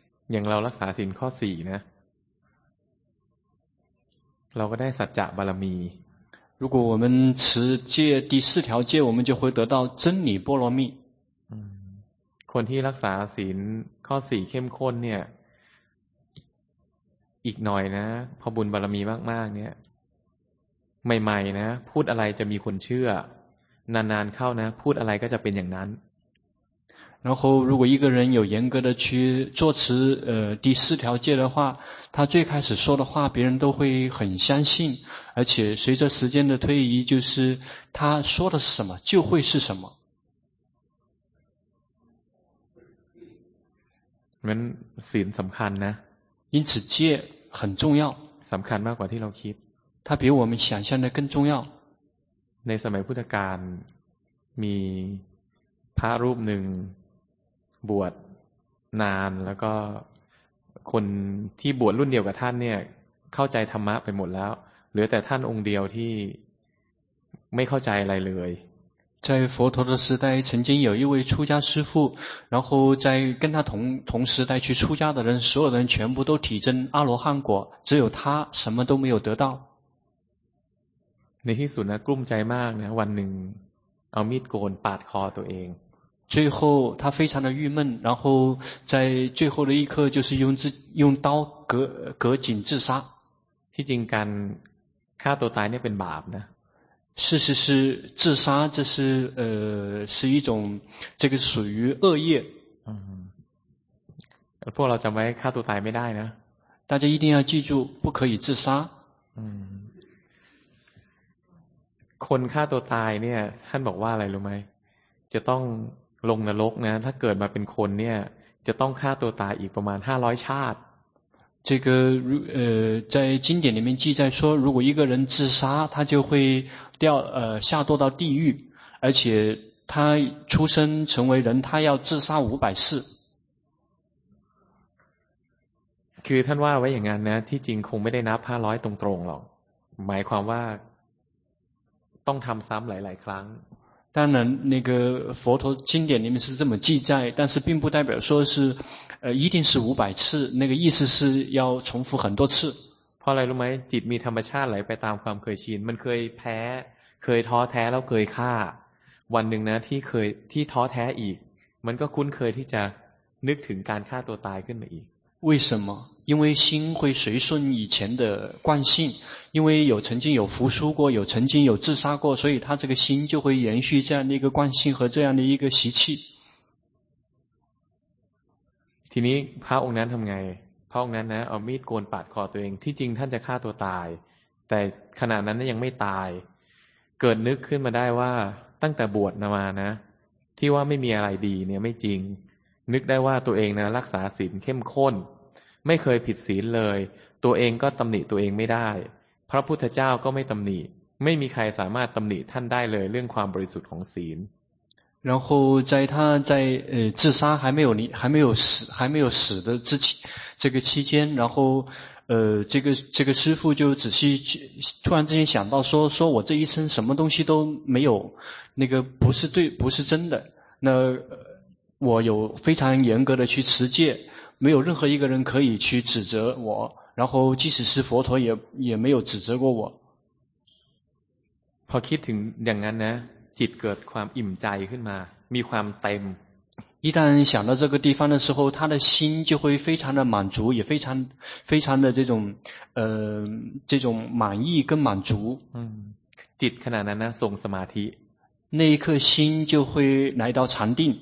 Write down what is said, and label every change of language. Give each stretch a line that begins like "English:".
Thai: อย่างเรารักษาศีลข้อ4นะเราก็ได้สัจจะบารมี
Chinese: 如果我们持戒第四条戒我们就会得到真理波罗蜜
Thai: คนที่รักษาศีลข้อ4เข้มข้นเนี่ยอีกหน่อยนะพอบุญบารมีมากๆเนี่ยใหม่ๆนะพูดอะไรจะมีคนเชื่อนานๆเข้านะพูดอะไรก็จะเป็นอย่างนั้น
Chinese: 然后如果一个人有严格的去做持第四条戒的话他最开始说的话别人都会很相信而且随着时间的推移就是他说的是什么就会是什么
Thai: มันศีลสำคัญนะ
Chinese: 因此戒很重要
Thai: สำคัญมากกว่าที่เราคิด
Chinese: 它比我们想象的更重要
Thai: ในสมัยพุทธกาลมีพระรูปหนึ่งบวชนานแล้วก็คนที่บวชรุ่นเดียวกับท่านเนี่ยเข้าใจธรรมะไปหมดแล้วเหลือแต่ท่านองค์เดียวที่ไม่เข้าใจอะไรเลย
Chinese: 在佛陀的时代曾经有一位出家师父然后在跟他同时代去出家的人所有人全部都体证阿罗汉果只有他什么都没有得到
Thai: ในที่สุดนะกลุ้มใจมากนะวันหนึ่งเอามีดโกนปาดคอตัวเอง
Chinese: 最后他非常的郁闷然后在最后的一刻就是用刀割颈自杀
Thai: ที่จริงการฆ่าตัวตายเนี่ยเป็นบาปนะ
Chinese: 事实是自杀，这是是一种，这个属于恶业。嗯，不然怎么卡住台没带呢？大家一定要记住，不可以自杀。嗯。
Thai: คนฆ่าตัวตายเนี่ยท่านบอกว่าอะไรรู้ไหมจะต้องลงนรกนะถ้าเกิดมาเป็นคนเนี่ยจะต้องฆ่าตัวตายอีกประมาณ500ชาติ
Chinese: 这个在经典里面记载说如果一个人自杀他就会掉下堕到地狱而且他出生成为人他要自杀500次
Thai: คือท่านว่าไว้อย่างนั้นนะที่จริงคงไม่ได้นับ500ตรงๆหรอกหมายความว่าต้องทำซ้ำหลายๆครั้ง
Chinese: 当然那个佛陀经典里面是这么记载但是并不代表说是一定是五百次那个意思是要重复很多次
Thai: เพราะอะไรรู้ไหมจิตมีธรรมชาติไหลไปตามความเคยชินมันเคยแพ้เคยท้อแท้แล้วเคยฆ่าวันหนึ่งนะที่เคยที่ท้อแท้อีกมันก็คุ้นเคยที่จะนึกถึงการฆ่าตัวตายขึ้นมาอีก
Chinese: 为什么因为心会随顺以前的惯性因为有曾经有服输过有曾经有自杀过所以他这个心就会延续这样的一个惯性和这样的一个习气
Thai: ทีนี้พระองค์นั้นทำไงพระองค์นั้นนะเอามีดโกนปาดคอตัวเองที่จริงท่านจะฆ่าตัวตายแต่ขณะนั้นยังไม่ตายเกิดนึกขึ้นมาได้ว่าตั้งแต่บวชมานะที่ว่าไม่มีอะไรดีเนี่ยไม่จริงนึกได้ว่าตัวเองนะรักษาศีลเข้มข้นไม่เคยผิดศีลเลยตัวเองก็ตำหนิตัวเองไม่ได้พระพุทธเจ้าก็ไม่ตำหนิไม่มีใครสามารถตำหนิท่านได้เลยเรื่องความบริสุทธิ์ของศีล
Chinese: 然后在他在自杀还没有死的之这个期间然后这个师父就仔细突然之间想到说我这一生什么东西都没有那个不是对不是真的那我有非常严格的去持戒没有任何一个人可以去指责我然后即使是佛陀也没有指责过我
Thai: พอคิดถึงอย่างนั้นนะจิตเกิดความอิ่มใจขึ้นมามีความเต็ม
Chinese: 一旦想到这个地方的时候他的心就会非常的满足也非常的这种满意跟满足
Thai: จิตขณะนั้นนะส่งสมาธิ
Chinese: 那一刻心就会来到禅定